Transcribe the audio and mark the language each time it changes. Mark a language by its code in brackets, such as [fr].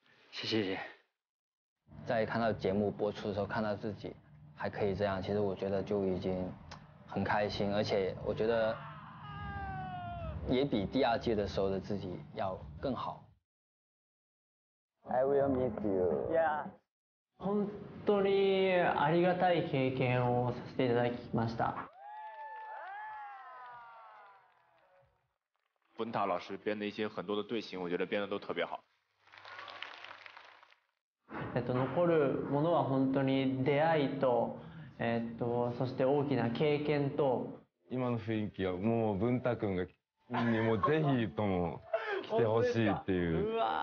[zh] 谢谢。在看到节目播出的时候，看到自己还可以这样，其实我觉得就已经很开心，而且我觉得也比第二届的时候的自己要更好。 [en] I will miss you. Yeah. [ja] 本当にありがたい経験をさせていただきました。 [zh] 文塔老师编的一些很多的队形，我觉得编的都特别好。 [ja] 残るものは本当に出会いと、そして大きな経験と。今の雰囲気はもう文太君がにもぜひとも来てほしいっていう。